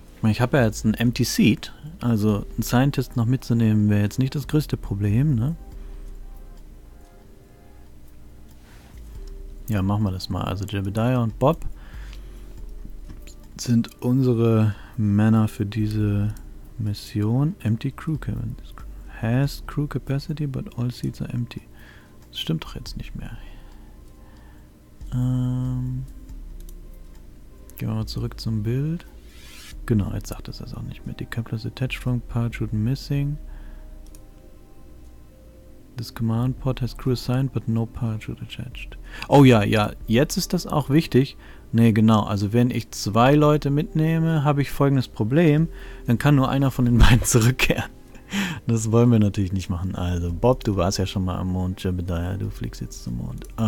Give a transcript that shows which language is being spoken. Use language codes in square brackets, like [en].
[de] Ich habe ja jetzt ein Empty Seat. Also einen Scientist noch mitzunehmen wäre jetzt nicht das größte Problem, ne? Ja, machen wir das mal. Also Jebediah und Bob sind unsere Männer für diese Mission. [en] Empty Crew Cabin. Has Crew Capacity, but all seats are empty. [de] Das stimmt doch jetzt nicht mehr. Gehen wir mal zurück zum Bild. Genau, jetzt sagt es das auch nicht mehr. [en] Decoupler is attached from parachute missing. This command pod has crew assigned, but no parachute attached. [de] Oh ja, ja, jetzt ist das auch wichtig. Ne, genau, also wenn ich zwei Leute mitnehme, habe ich folgendes Problem. Dann kann nur einer von den beiden zurückkehren. Das wollen wir natürlich nicht machen. Also, Bob, du warst ja schon mal am Mond. Jebediah, du fliegst jetzt zum Mond.